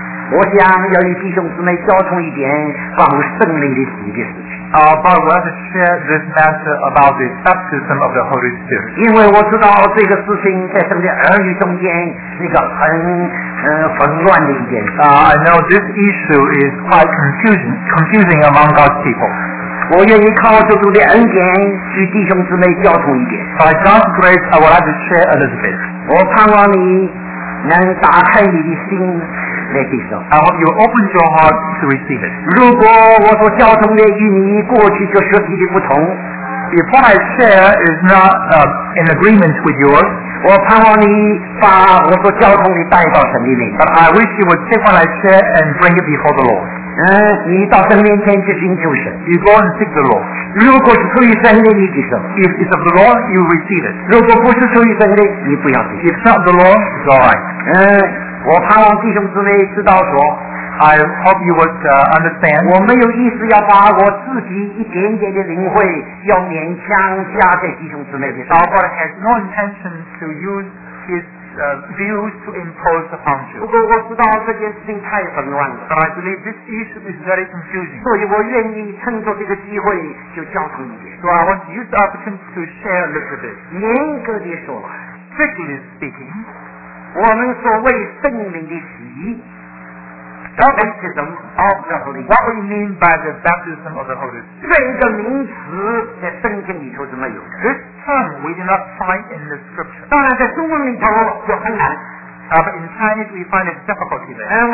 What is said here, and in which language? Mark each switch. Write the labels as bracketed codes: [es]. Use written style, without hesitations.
[zh] 我想要与弟兄姊妹交通一点关于圣灵的事情。 [en] But let us share this matter about the baptism of the Holy Spirit. [zh] 因为我知道这个事情在圣灵儿女中间是一个很混乱的一件事。 [en] I know this issue is quite confusing among God's people. [zh] 我愿意靠主主的恩典与弟兄姊妹交通一点。 [en] By God's grace, I would like to share a little bit. [zh] 我盼望你能打开你的心来接受。 [en] I hope you open your heart to receive it. [zh] 如果我所交通的与你过去就实际的不同， [en] If what I share is not in agreement with yours, [zh] 我盼望你把我所交通的带到神里面。 [en] But I wish you would take what I share and bring it before the Lord. [zh] 你到神面前去寻求神。 [en] You go and seek the Lord. [zh] 如果是出于神的，你接受。 [en] If it's of the Lord, you receive it. [zh] 如果不是出于神的，你不要接受。 [en] If it's not the Lord, it's all right. [zh] 我盼望弟兄姊妹知道说。 [en] I hope you would understand. [zh] 我没有意思要把我自己一点点的灵慧要勉强加在弟兄姊妹的。 [en] Now God has no intention to use his. Views to impose upon you. [zh] 不过我知道这件事情太混乱了。 [en] But I believe this issue is very confusing. [zh] 所以我愿意趁着这个机会就交通一点。 [en] So I want to use the opportunity to share a little bit. [zh] 严格地说 [en] ，strictly speaking， [zh] 我们所谓圣灵的洗 ， [en] baptism of the Holy Spirit. What we mean by the baptism of the Holy Spirit? [zh] 这个名词在圣经里头是没有的。 [en] We do not find in the scripture. [zh] 当然，在中文里头就很难。 [en] But in Chinese, we find it difficult today.